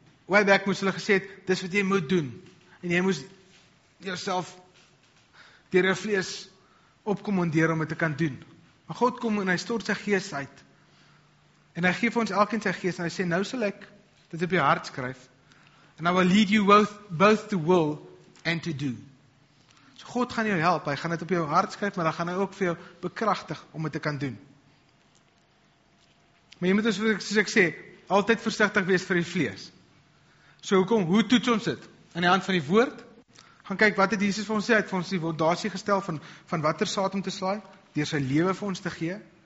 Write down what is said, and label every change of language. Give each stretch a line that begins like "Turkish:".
Afrikaans: Way back moes hulle gesê het, dis wat jy moet doen. En jy moes jouself deur jou vlees opkommandeer om dit te kan doen. Maar God kom en hy stort sy gees uit. En hy gee vir ons elkeen sy gees en hy sê, nou sal ek dit op jou hart skryf.
English: And I will lead you both to will and to do.
Afrikaans: So God gaan jou help, hy gaan dit op jou hart skryf, maar dan gaan hy ook vir jou bekragtig om dit te kan doen. Maar jy moet, soos ek sê, altyd versigtig wees vir die vlees. So hoekom, hoe toets ons dit? In die hand van die woord? Gaan kyk, wat het Jesus vir ons sê, het vir ons die fondasie gestel van watter saad om te slaai, deur sy lewe vir ons te gee.